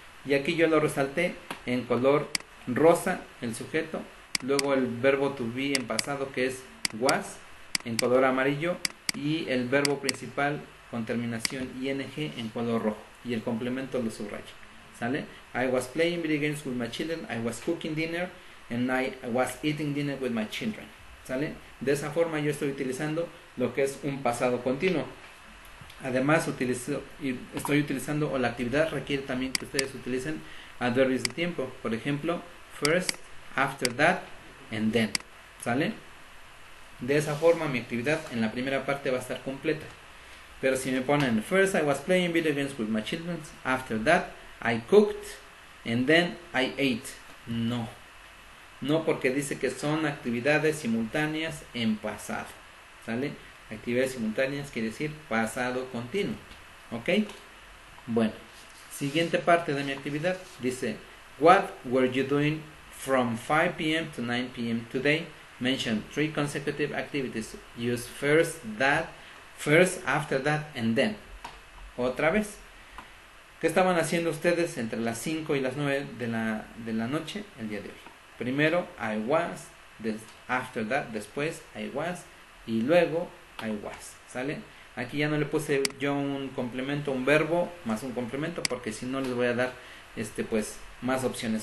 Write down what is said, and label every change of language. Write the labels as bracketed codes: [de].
[es] Y aquí yo lo resalté en color rosa, el sujeto, luego el verbo to be en pasado, que es was, en color amarillo, y el verbo principal con terminación ing en color rojo, y el complemento lo subrayo. ¿Sale? [en] I was playing video games with my children, I was cooking dinner, and I was eating dinner with my children. [es] ¿Sale? De esa forma yo estoy utilizando lo que es un pasado continuo. Además, estoy utilizando, o la actividad requiere también que ustedes utilicen adverbios de tiempo. Por ejemplo, [en] first, after that, and then. ¿Sale? [es] De esa forma mi actividad en la primera parte va a estar completa. Pero si me ponen, [en] first I was playing video games with my children, after that, I cooked, and then I ate. [es] No. No, porque dice que son actividades simultáneas en pasado. ¿Sale? Actividades simultáneas quiere decir pasado continuo. ¿Ok? Bueno. Siguiente parte de mi actividad dice: [en] What were you doing from 5 p.m. to 9 p.m. today? Mention three consecutive activities. Use first, that, first, after that, and then. [es] Otra vez. ¿Qué estaban haciendo ustedes entre las 5 y las 9 de la noche el día de hoy? [en] Primero, I was, after that, después, I was, y luego, I was. ¿Sale? [es] Aquí ya no le puse yo un complemento, un verbo más un complemento, porque si no les voy a dar pues más opciones.